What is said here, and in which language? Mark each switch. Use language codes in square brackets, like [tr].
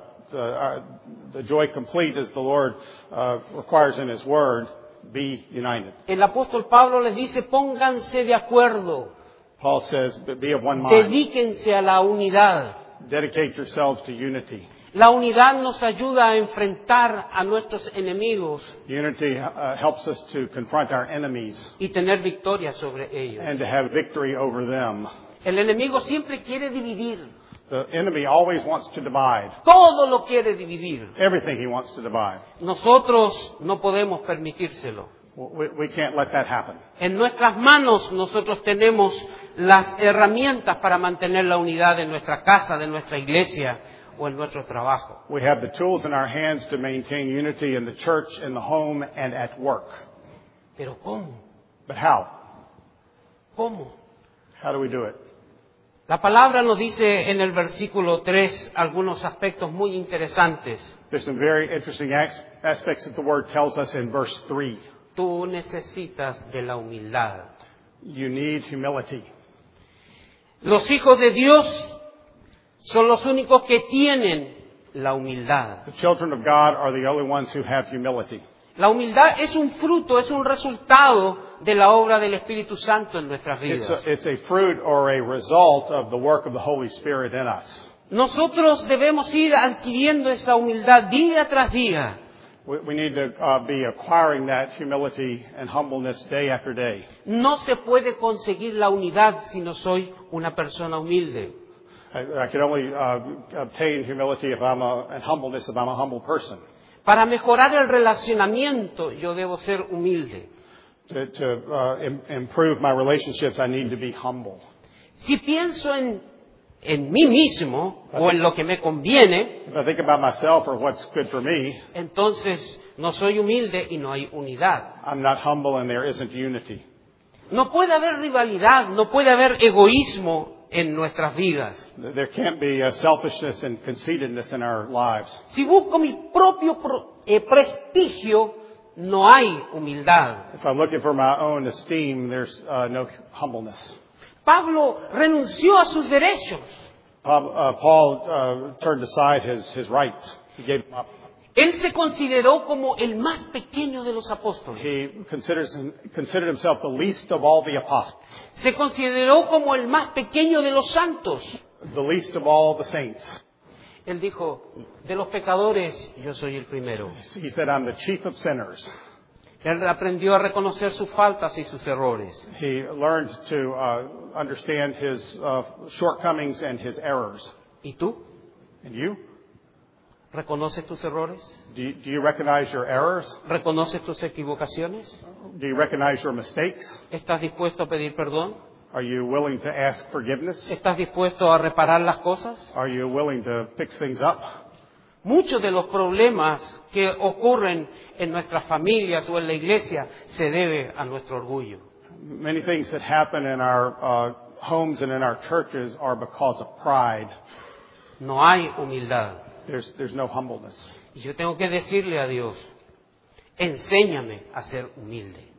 [en] The joy complete as the Lord requires in his word. Be united. [es] El apóstol Pablo les dice, pónganse de acuerdo. [en] Paul says, be of one mind. [es] Dedíquense a la unidad. [en] Dedicate yourselves to unity. [es] La unidad nos ayuda a enfrentar a nuestros enemigos. [en] Unity helps us to confront our enemies. [es] Y tener victoria sobre ellos. [en] And to have victory over them. [es] El enemigo siempre quiere dividir. [en] The enemy always wants to divide. [es] Todo lo quiere dividir. [en] Everything he wants to divide. [es] Nosotros no podemos permitírselo. [en] We can't let that happen. [es] En nuestras manos nosotros tenemos las herramientas para mantener la unidad en nuestra casa, de nuestra iglesia o en nuestro trabajo. [en] We have the tools in our hands to maintain unity in the church, in the home, and at work. [es] Pero ¿cómo? [en] But how? [es] ¿Cómo? [en] How do we do it? [es] La palabra nos dice en el versículo 3 algunos aspectos muy interesantes. [en] There's some very interesting aspects that the word tells us in verse 3. [es] Tú necesitas de la humildad. [en] You need humility. [es] Los hijos de Dios son los únicos que tienen la humildad. [en] The children of God are the only ones who have humility. [es] La humildad es un fruto, es un resultado de la obra del Espíritu Santo en nuestras vidas. [en] It's a fruit or a result of the work of the Holy Spirit in us. [es] Nosotros debemos ir adquiriendo esa humildad día tras día. [en] We need to be acquiring that humility and humbleness day after day. [es] No se puede conseguir la unidad si no soy una persona humilde. [en] I can only obtain humility if I'm and humbleness if I'm a humble person. [es] Para mejorar el relacionamiento, yo debo ser humilde. [en] To improve my relationships, I need to be humble. [es] Si pienso en mí mismo o en lo que me conviene, [en] if I think about myself or what's good for me, [es] entonces no soy humilde y no hay unidad. [en] I'm not humble and there isn't unity. [es] No puede haber rivalidad, no puede haber egoísmo en nuestras vidas. [en] There can't be a selfishness and conceitedness in our lives. [es] Si busco mi propio prestigio, no hay humildad. [en] If I'm looking for my own esteem, there's no humbleness. [es] Pablo renunció a sus derechos. [en] Paul turned aside his rights. He gave them up. [es] Él se consideró como el más pequeño de los apóstoles. [en] He considered himself the least of all the apostles. [es] Se consideró como el más pequeño de los santos. [en] The least of all the saints. [es] Él dijo, de los pecadores, yo soy el primero. [en] He said, I'm the chief of sinners. [es] Él aprendió a reconocer sus faltas y sus errores. [en] He learned to understand his shortcomings and his errors. [es] ¿Y tú? [en] And you? [es] ¿Reconoces tus errores? [en] Do you recognize your errors? [es] ¿Reconoces tus equivocaciones? [en] Do you recognize your mistakes? [es] ¿Estás dispuesto a pedir perdón? [en] Are you willing to ask forgiveness? [es] ¿Estás dispuesto a reparar las cosas? [en] Are you willing to fix things up? [es] Muchos de los problemas que ocurren en nuestras familias o en la iglesia se debe a nuestro orgullo. [en] Many things that happen in our homes and in our churches are because of pride. [es] No hay humildad. [en] There's no humbleness. [es] Y yo tengo que decirle a Dios, enséñame a ser humilde.